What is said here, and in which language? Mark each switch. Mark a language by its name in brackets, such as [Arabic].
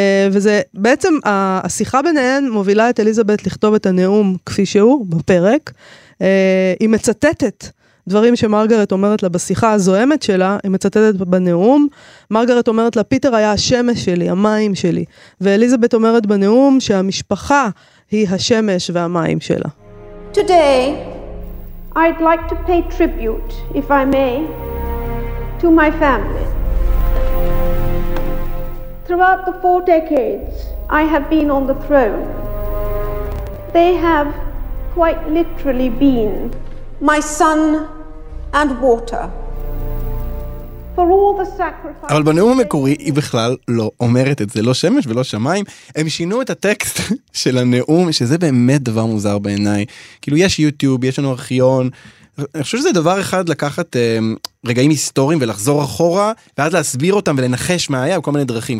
[Hebrew] וזה בעצם, השיחה ביניהן מובילה את אליזבת לכתוב את הנאום כפי שהוא בפרק. היא מצטטת דברים שמרגרט אומרת לה בשיחה הזוהמת שלה, היא מצטטת בנאום, מרגרט אומרת לה, פיטר היה השמש שלי, המים שלי, ואליזבת אומרת בנאום שהמשפחה היא השמש והמים שלה. [English] Today, I'd like to pay tribute, if I may, to my family. Throughout the 4 decades, I have been on the throne. They have quite literally been my son, and water. For all the sacrifice. [Hebrew] אבל בנאום המקורי היא בכלל לא אומרת את זה, לא שמש ולא שמיים. הם שינו את הטקסט של הנאום, שזה באמת דבר מוזר בעיניי. כאילו יש יוטיוב, יש לנו ארכיון. אני חושב שזה דבר אחד לקחת רגעים היסטוריים ולחזור אחורה, ואז להסביר אותם ולנחש מה היה בכל מיני דרכים.